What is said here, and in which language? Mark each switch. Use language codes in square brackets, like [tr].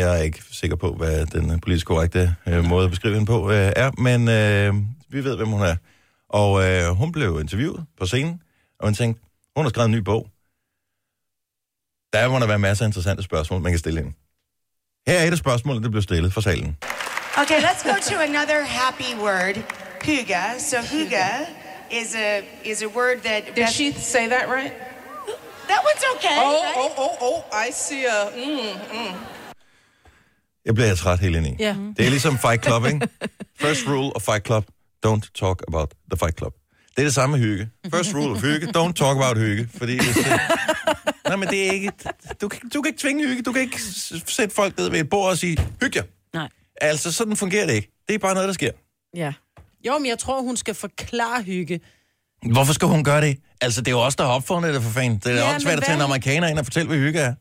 [da] Jeg er ikke sikker på, hvad den politisk korrekte måde at beskrive hende på er, men vi ved, hvem hun er. Og hun blev interviewet på scenen, og man tænkte, hun har skrevet en ny bog. Der må der være masser af interessante spørgsmål, man kan stille hende. Her er et af spørgsmålene, der blev stillet fra salen. [en] Okay, let's go to another happy word. Hygge. So hygge is a word that... Did she say that right? That one's okay. Oh, right? oh, I see a... [da] Jeg bliver træt helt ind i. [en] Yeah. [da] Det er ligesom Fight Club, ikke? [en] First rule of Fight Club, don't talk about the Fight Club. [da] Det er det samme med hygge. [en] First rule of hygge, don't talk about hygge. [da] Fordi hvis, nej, men det er ikke... Du kan ikke tvinge hygge. Du kan ikke sætte folk ned ved et bord og sige, hygge jer. Nej. Altså, sådan fungerer det ikke. Det er bare noget, der sker. Ja. Yeah. Jo, men jeg tror, hun skal forklare hygge. Hvorfor skal hun gøre det? Altså, det er jo også der har opfundet det, for fanden. Det er også svært at tage en amerikaner ind og fortælle, hvad hygge er.